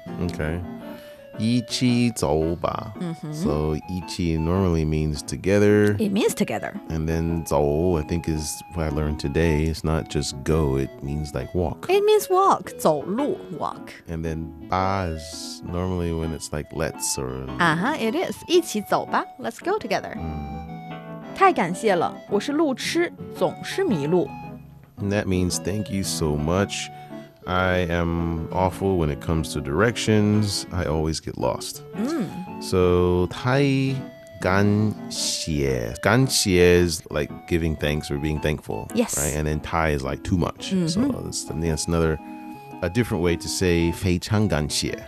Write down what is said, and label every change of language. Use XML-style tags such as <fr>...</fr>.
<en>Okay.</en> <zh>一起走吧</zh> <en>So 一起 normally means together. It means together. And then 走 I think is what I learned today. It's not just go, it means like walk. It means walk,</en> <zh>走路</zh> <en>walk. And then 吧 is normally when it's like let's or... It is.</en> <zh>一起走吧</zh> <en>let's go together.</en> <zh>太感谢了我是路痴总是迷路</zh> <en>And that means thank you so much. I am awful when it comes to directions. I always get lost. So,</en> <zh>太感谢</zh> <en>感谢 is like giving thanks or being thankful. Yes. Right? And then 太 is like too much. So, that's another, a different way to say</en> <zh>非常感谢</zh>